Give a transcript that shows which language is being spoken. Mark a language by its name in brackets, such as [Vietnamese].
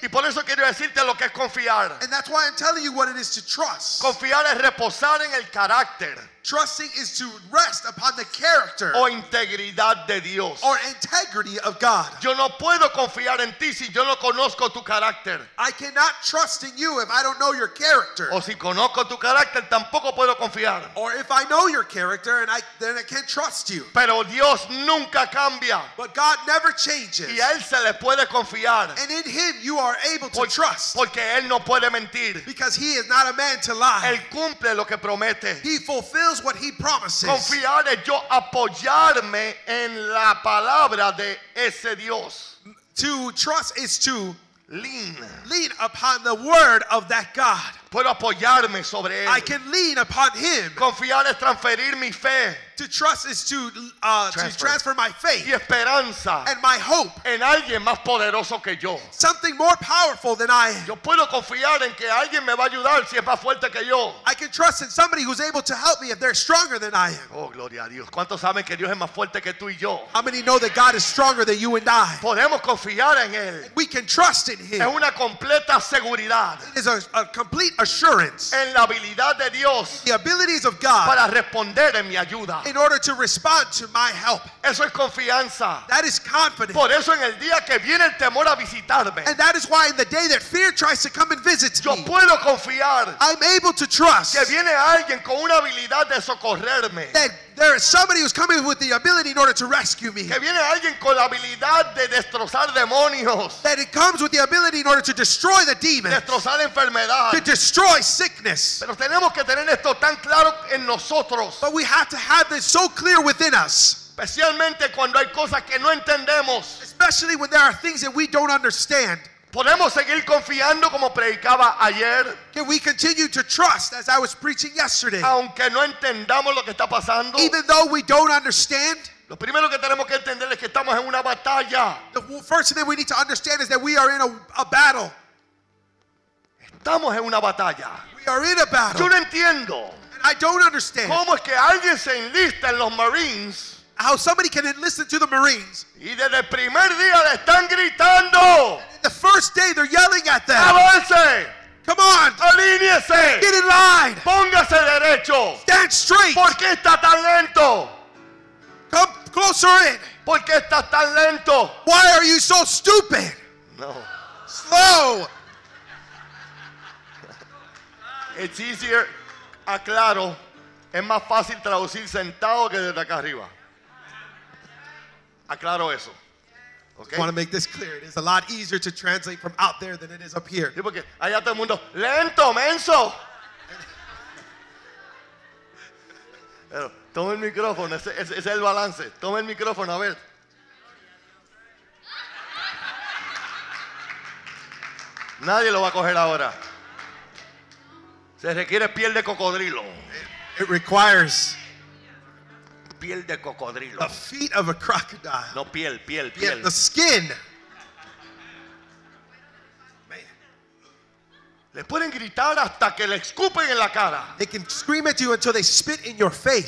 [Spanish] Y por eso quiero decirte lo que es confiar. [English] And that's why I'm telling you what it is to trust. [Spanish] Confiar es reposar en el carácter. [English] Trusting is to rest upon the character. [Spanish] O integridad de Dios. [English] Or integrity of God. [Spanish] Yo no puedo confiar en ti si yo no conozco tu carácter. [English] I cannot trust in you if I don't know your character. [Spanish] O si conozco tu carácter, tampoco puedo confiar. [English] Or if I know your character and then I can't trust you. [Spanish] Pero Dios nunca cambia. [English] But God never changes. [Spanish] Y a él se le puede confiar. [English] And in him you are able to trust. [Spanish] Porque él no puede mentir. [English] Because he is not a man to lie. [Spanish] Él cumple lo que promete. [English] He fulfills what he promises. [Spanish] Confiar es yo apoyarme en la palabra de ese Dios. [English] To trust is to lean upon the word of that God. [Spanish] Puedo apoyarme sobre él. [English] I can lean upon him. [Spanish] Confiar es transferir mi fe. [English] To trust is to transfer my faith [Spanish] y esperanza [English] and my hope [Spanish] en alguien más poderoso que yo. [English] Something more powerful than I am. [Spanish] Yo puedo confiar en que alguien me va a ayudar si es más fuerte que yo. [English] I can trust in somebody who's able to help me if they're stronger than I am. [Spanish] Oh, gloria a Dios. ¿Cuántos saben que Dios es más fuerte que tú y yo? [English] How many know that God is stronger than you and I? [Spanish] Podemos confiar en él. [English] And we can trust in him. [Spanish] Es una completa seguridad. [English] It is a complete assurance. [Spanish] En la habilidad de Dios. [English] The abilities of God. [Spanish] Para responder en mi ayuda. [English] In order to respond to my help. [Spanish] Eso es confianza. [English] That is confidence. [Spanish] Por eso en el día que viene el temor a visitarme. [English] And that is why in the day that fear tries to come and visit [Spanish] yo [English] me. [Spanish] Puedo confiar. [English] I'm able to trust. [Spanish] Que viene alguien con una habilidad de socorrerme. [English] That there is somebody who's coming with the ability in order to rescue me. [Spanish] Que viene alguien con la habilidad de destrozar demonios. [English] That it comes with the ability in order to destroy the demons. [Spanish] Destrozar enfermedad. [English] To destroy sickness. [Spanish] Pero tenemos que tener esto tan claro en nosotros. [English] But we have to have this so clear within us. [Spanish] Especialmente cuando hay cosas que no entendemos. [English] Especially when there are things that we don't understand. [Spanish] ¿Podemos seguir confiando como predicaba ayer? [English] Can we continue to trust as I was preaching yesterday? [Spanish] Aunque no entendamos lo que está pasando. [English] Even though we don't understand. [Spanish] Lo primero que tenemos que entender es que estamos en una batalla. [English] The first thing we need to understand is that we are in a battle. [Spanish] Estamos en una batalla. [English] We are in a battle. [Spanish] Yo no entiendo. [English] And I don't understand. [Spanish] ¿Cómo es que alguien se enlista en los Marines? [English] How somebody can enlist into the Marines. [Spanish] Y desde el primer día le están gritando. [English] The first day they're yelling at them. [Spanish] ¡Avance! [English] Come on. [Spanish] Alíñese. [English] Get in line. [Spanish] Póngase derecho. [English] Stand straight. [Spanish] ¿Por qué está tan lento? [English] Come closer in. [Spanish] ¿Por qué estás tan lento? [English] Why are you so stupid? [Spanish] No. [English] Slow. It's easier, [Spanish] aclaro, es más fácil traducir sentado que desde acá arriba. Aclaro eso. Okay. [English] I want to make this clear. It is a lot easier to translate from out there than it is up here. [Spanish] Sí, porque allá todo el mundo, lento, menso. Pero, tome el micrófono, ese es el balance. Tome el micrófono, a ver. Nadie lo va a coger ahora. Se requiere piel de cocodrilo. [English] It requires [Spanish] piel de cocodrilo. [English] The feet of a crocodile. [Spanish] No piel, piel. [English] The skin. Man. [Spanish] Le pueden gritar hasta que le escupen en la cara. [English] They can scream at you until they spit in your face.